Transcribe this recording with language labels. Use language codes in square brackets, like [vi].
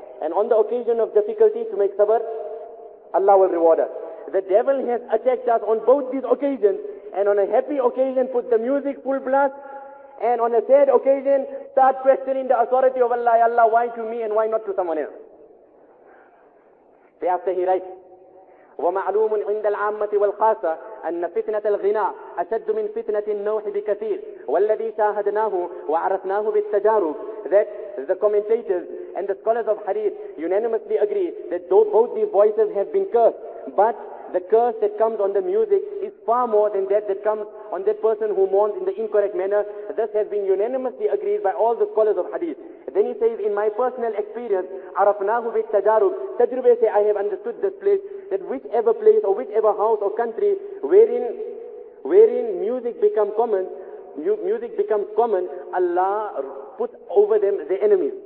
[en] And on the occasion of difficulty, to make sabr, Allah will reward us. The devil has attacked us on both these occasions, and on a happy occasion put the music full blast, and on a sad occasion start questioning the authority of Allah. Ya Allah, why to me and why not to someone else? Thereafter he writes, [ar] وَمَعْلُومٌ عِنْدَ الْعَامَّةِ وَالْخَاسَةِ أَنَّ فِتْنَةَ الْغِنَى أَشَدُّ مِنْ فِتْنَةِ النَّوْحِ بِكَثِيرٍ وَالَّذِي شَاهَدْنَاهُ وَعَرَفْنَاهُ بِالتَّجَارُبِ. [en] That the commentators and the scholars of hadith unanimously agree that both these voices have been cursed, but the curse that comes on the music is far more than that that comes on that person who mourns in the incorrect manner. This has been unanimously agreed by all the scholars of hadith. Then he says, in my personal experience, [ar] عَرَفْنَاهُ بِالتَّجَارُبِ [en] Tajrube say, I have understood this place, that whichever place or whichever house or country wherein music become common, music becomes common, Allah put over them the enemies.